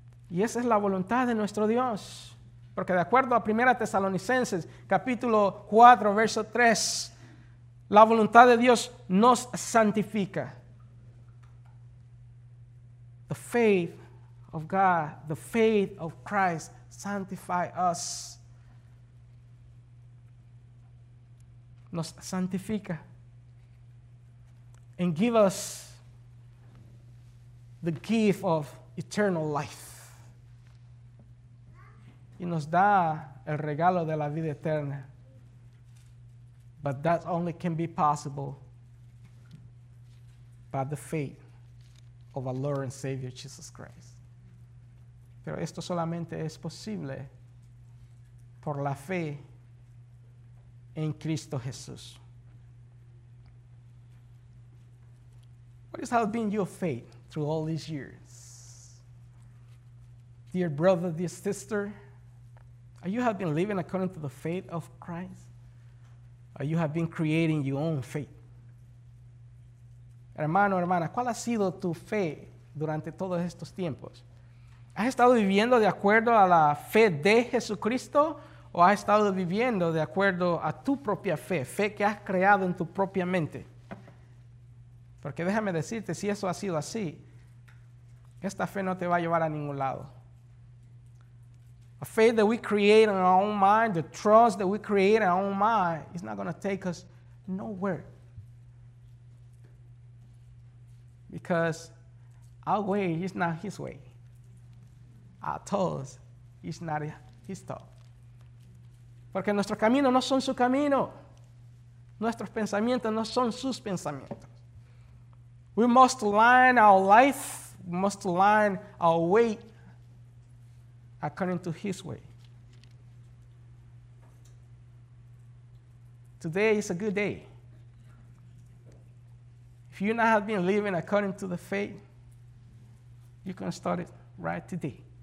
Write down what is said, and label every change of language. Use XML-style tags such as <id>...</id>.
<es>Y esa es la voluntad de nuestro Dios. Porque de acuerdo a 1 Tesalonicenses capítulo 4, verso 3, la voluntad de Dios nos santifica.</es> <en>The faith of God, the faith of Christ, sanctify us.</en> <es>Nos santifica.</es> <en>And give us the gift of eternal life.</en> <es>Y nos da el regalo de la vida eterna.</es> <en>But that only can be possible by the faith of our Lord and Savior Jesus Christ.</en> <es>Pero esto solamente es posible por la fe en Cristo Jesús.</es> <en>What has been your faith through all these years? Dear brother, dear sister, you have been living according to the faith of Christ, or you have been creating your own faith?</en> <es>Hermano, hermana, ¿cuál ha sido tu fe durante todos estos tiempos? ¿Has estado viviendo de acuerdo a la fe de Jesucristo o has estado viviendo de acuerdo a tu propia fe, fe que has creado en tu propia mente? Porque déjame decirte, si eso ha sido así, esta fe no te va a llevar a ningún lado.</es> <en>A faith that we create in our own mind, the trust that we create in our own mind, is not going to take us nowhere. Because our way is not his way. Our thoughts is not his thought.</en> <es>Porque nuestros caminos no son su camino. Nuestros pensamientos no son sus pensamientos.</es> <en>We must align our life, we must align our way according to his way. Today is a good day. If you not have been living according to the faith, you can start it right today.</en>